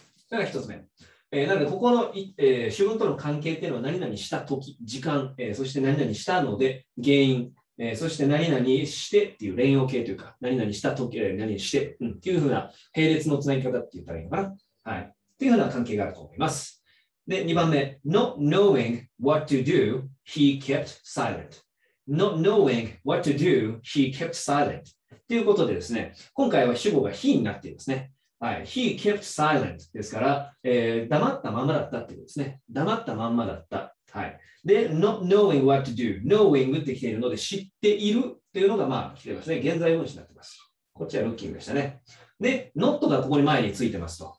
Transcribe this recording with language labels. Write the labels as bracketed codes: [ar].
[ja] それが一つ目。なので、ここの、主文との関係っていうのは何々した時、時間、そして何々したので、原因、そして何々してっていう連用形というか、何々した時、何々して、うん、っていうふうな並列のつなぎ方って言ったらいいのかな。はい。っていうふうな関係があると思います。で、2番目。 [en] Not knowing what to do, he kept silent. Not knowing what to do, he kept silent. [ja] ということでですね、今回は主語が he になっていますね。はい。 [en] He kept silent [ja] ですから、黙ったままだったっていうことですね。黙ったまんまだった。はい。で、 [en] not knowing what to do, [ja] knowing って来ているので、知っているっていうのが、まあ、来てますね。現在分詞になってます。こっちはルッキングでしたね。で、not がここに前についてますと。